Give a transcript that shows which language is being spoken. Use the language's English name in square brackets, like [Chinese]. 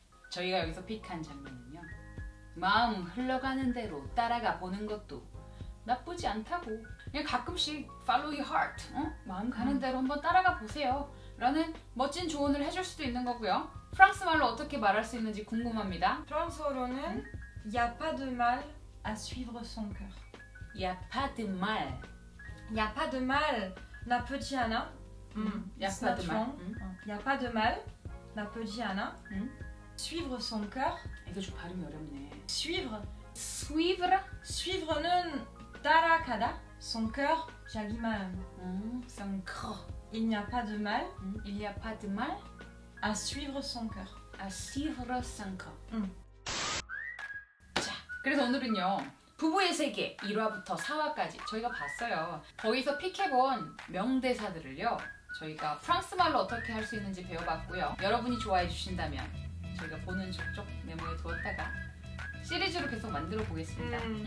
[Korean] 저희가 여기서 픽한 장면은요. 마음 흘러가는 대로 따라가 보는 것도 나쁘지 않다고. 그냥 가끔씩 [English] follow your heart, [Korean] 어? 마음 가는 대로 한번 따라가 보세요 라는 멋진 조언을 해줄 수도 있는 거고요. 프랑스 말로 어떻게 말할 수 있는지 궁금합니다. 프랑스어로는 [French] y a pas de mal à suivre son cœur. y a pas de mal. y a pas de mal. [Korean] 나쁘지 않아. [French] y a pas de mal. y a pas de mal. [Korean] 나쁘지 않아. [French] suivre son cœur. [Korean] 이거 좀 발음이 어렵네. [French] suivre. suivre. [Korean] suivre는 따라가다, [French] son cœur, [Korean] 자기 마음. [French] Son cœur. Il n'y a pas de mal. Il n'y a pas de mal. À suivre son cœur. À suivre son cœur. [Korean] 자, 그래서 오늘은요, 부부의 세계 1화부터 4화까지 저희가 봤어요. 거기서 픽해본 명대사들을요 저희가 프랑스말로 어떻게 할 수 있는지 배워봤고요. 여러분이 좋아해 주신다면 저희가 보는 족족 메모에 두었다가 시리즈로 계속 만들어 보겠습니다.